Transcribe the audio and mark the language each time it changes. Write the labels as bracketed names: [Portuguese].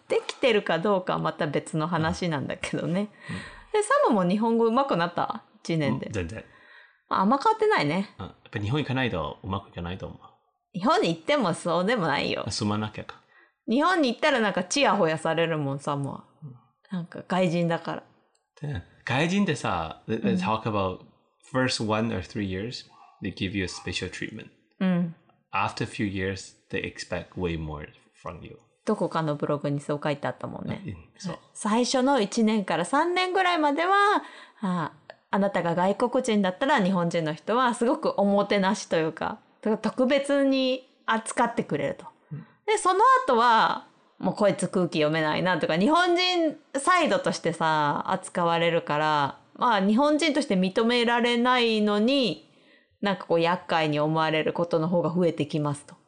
[Japanese] できてるかどうかはまた別の話なんだけどね、うん、でサムも日本語上手くなった1年で、うん、全然、まあ、あんま変わってないね、うん、やっぱ日本行かないと上手くいかないと思う。日本に行ってもそうでもないよ、住まなきゃか。日本に行ったらなんかチヤホヤされるもん、サムは、うん、なんか外人だから。で外人でさ、 [English] うん、Let's talk about first one or three years they give you a special treatment、うん、 After a few years they expect way more from you。 [Japanese] どこかのブログにそう書いてあったもんね。そう、最初の1年から3年ぐらいまでは あなたが外国人だったら日本人の人はすごくおもてなしというか特別に扱ってくれると、うん、でその後はもうこいつ空気読めないなとか日本人サイドとしてさ扱われるから、まあ、日本人として認められないのになんかこう厄介に思われることの方が増えてきますと、